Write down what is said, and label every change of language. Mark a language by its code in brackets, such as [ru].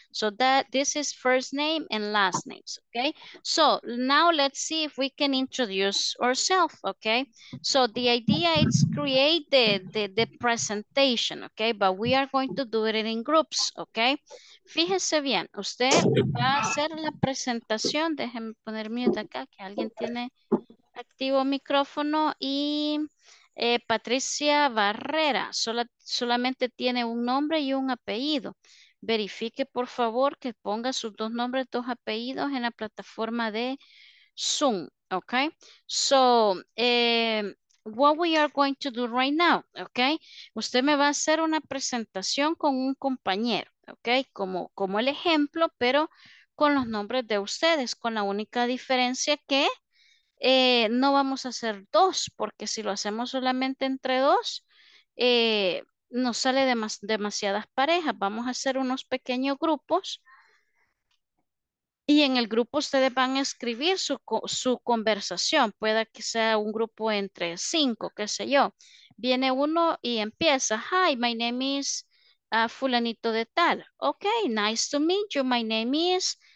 [en] So that this is first name and last names, okay? So now let's see if we can introduce ourselves, okay? So the idea is create the presentation, okay? But we are going to do it in groups, okay? [es] Fíjese bien, usted va a hacer la presentación. Déjeme poner mute acá, que alguien tiene activo micrófono. Y... Patricia Barrera, solamente tiene un nombre y un apellido. Verifique, por favor, que ponga sus dos nombres, dos apellidos en la plataforma de Zoom, okay? [en] So, what we are going to do right now, okay? [es] Usted me va a hacer una presentación con un compañero, okay? Como el ejemplo, pero con los nombres de ustedes, con la única diferencia que... no vamos a hacer dos, porque si lo hacemos solamente entre dos, nos sale demasiadas parejas. Vamos a hacer unos pequeños grupos y en el grupo ustedes van a escribir su conversación. Puede que sea un grupo entre cinco, qué sé yo. Viene uno y empieza, [en] hi, my name is [es] fulanito de tal. [en] Ok, nice to meet you, my name is...